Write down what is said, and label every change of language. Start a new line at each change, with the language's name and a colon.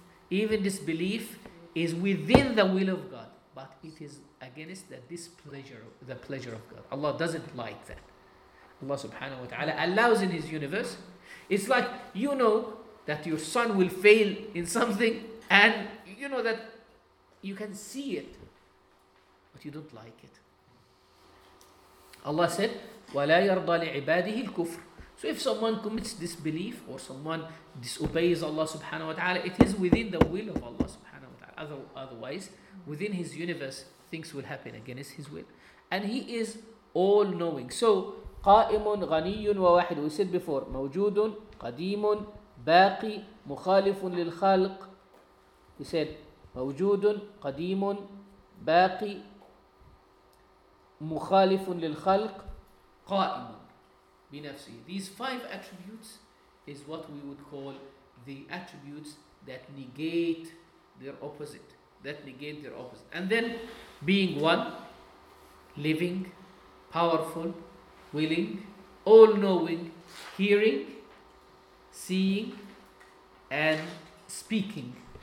English: Even disbelief is within the will of God, but it is against the pleasure of God. Allah doesn't like that. Allah subhanahu wa ta'ala allows in his universe. It's like, you know that your son will fail in something, and you know that you can see it, but you don't like it. Allah said,
Arabic: وَلَا يَرْضَى لِعِبَادِهِ الْكُفْرِ.
English: So if someone commits disbelief or someone disobeys Allah subhanahu wa ta'ala, it is within the will of Allah subhanahu wa ta'ala. Otherwise, within his universe, things will happen against his will. And he is all-knowing. So,
Arabic: قَائِمٌ غَنِيٌّ وَوَاحِدٌ.
English: We said before,
Arabic: مَوْجُودٌ قَدِيمٌ بَاقِي مُخَالِفٌ لِلْخَالِقِ.
English: He said,
Arabic: مَوْجُودٌ قَدِيمٌ بَاقِي مُخَالِفٌ لِلْخَالِقِ قَائِمٌ. بنفسه.
English: These five attributes is what we would call the attributes that negate their opposite. That negate their opposite. And then being one, living, powerful, willing, all-knowing, hearing, seeing, and speaking.